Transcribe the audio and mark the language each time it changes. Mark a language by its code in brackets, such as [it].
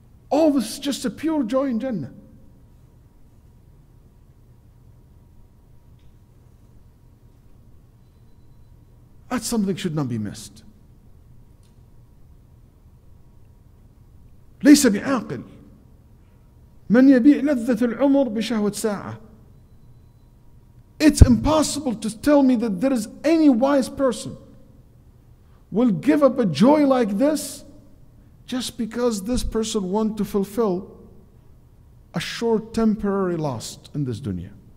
[en] All this is just a pure joy in Jannah. That's something that should not be missed. [ar] ليس بعاقل من يبيع لذة العمر بشهوة ساعة. [en] It's impossible to tell me that there is any wise person will give up a joy like this just because this person wants to fulfill a short temporary lust in this dunya.